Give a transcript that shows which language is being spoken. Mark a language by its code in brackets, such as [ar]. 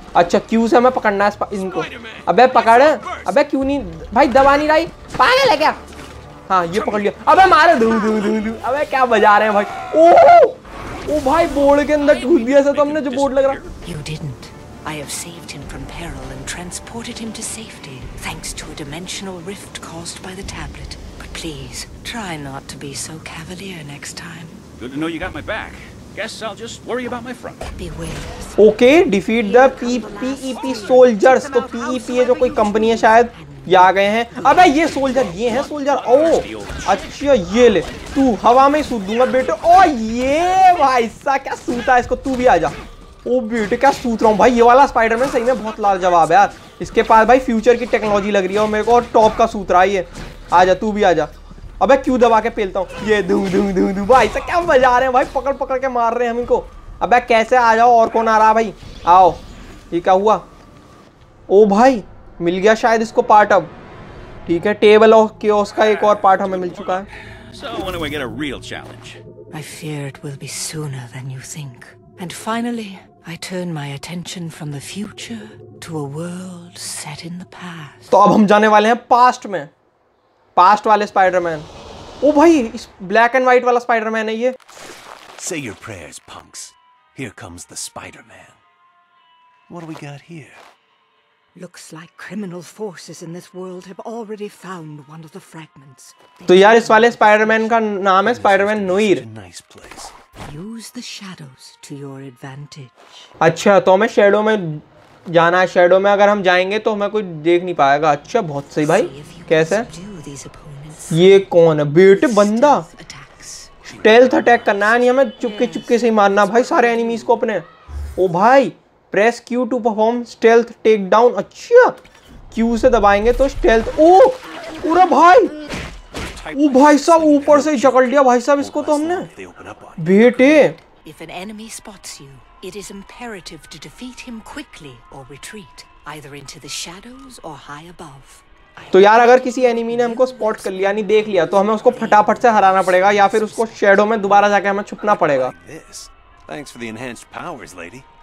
[hi] अच्छा क्यू से हमें पकड़ना है इनको। अबे पकड़, अबे क्यों नहीं भाई, दबा नहीं रही, पागल है क्या। हाँ ये पकड़ लिया, अबे मारे दू दू दू दू। अबे क्या बजा रहे हैं भाई। ओ ओ भाई बोर्ड के अंदर ढूंढ दिया था तुमने, जो बोर्ड लग रहा। [en] Please try not to be so cavalier next time. Good to know you got my back. Guess I'll just worry about my front. Okay, defeat the PEP soldiers. [hi] तो PEP है जो कोई कंपनी है शायद, ये आ गए हैं। अबे ये सोल्जर, ये है सोल्जर। ओ अच्छा ये ले, तू हवा में सूट दूंगा बेटे। ओ ये भाई सा क्या सूता है इसको, तू भी आ जा। ओ बेटे क्या सूत रहा हूँ भाई, ये वाला स्पाइडरमैन सही में बहुत लाजवाब है यार। इसके पास भाई फ्यूचर की टेक्नोलॉजी लग रही है और मेरे को, और टॉप का सूत रहा है ये। आ जा तू भी आ जा। अबे क्यों दबा के पेलता हूँ ये, दू दू दू दू भाई सा क्या बजा रहे हैं भाई, पकड़ पकड़ के मार रहे हैं हम इनको। अबे कैसे आ जाओ, और कौन आ रहा भाई, आओ। ये क्या हुआ, ओ भाई मिल गया शायद इसको पार्ट। अब ठीक है, टेबल ऑफ केओस का एक और पार्ट हमें मिल चुका है। [en] So when do we get a real challenge? I fear it will be sooner than you think. And finally, I turn my attention from the future to a world set in the past. [hi] तो अब हम जाने वाले हैं past में, past वाले Spiderman. ओ भाई इस ब्लैक एंड व्हाइट वाला स्पाइडरमैन है ये। [en] Say your prayers, punks. Here comes the Spider-Man. What do we got here? Looks like criminal forces in this world have already found one of the fragments. [hi] तो यार इस वाले Spiderman का नाम है Spiderman noir. [en] Nice place. Use the shadows to your advantage. [hi] अच्छा तो हमें शेडो में जाना है, शेडो में अगर हम जाएंगे तो हमें कोई देख नहीं पाएगा। अच्छा बहुत सही भाई, कैसे ये कौन है बेटे, बंदा स्टेल्थ अटैक करना है, नहीं हमें चुपके चुपके से ही मारना भाई सारे एनिमीज को अपने। [en] ओ भाई press Q to perform stealth take down. [hi] अच्छा क्यू से दबाएंगे तो स्टेल्थ। ओ पूरा भाई, ओ भाई साहब ऊपर से ही जकड़ लिया भाई साहब इसको तो हमने बेटे। [en] If an enemy spots you, it is imperative to defeat him quickly or retreat either into the shadows or high above. [hi] तो यार अगर किसी एनिमी ने हमको स्पॉट कर लिया, नहीं देख लिया, तो हमें उसको फटाफट से हराना पड़ेगा या फिर उसको शेडो में दोबारा जाके हमें छुपना पड़ेगा। [en] Thanks for the enhanced powers, lady.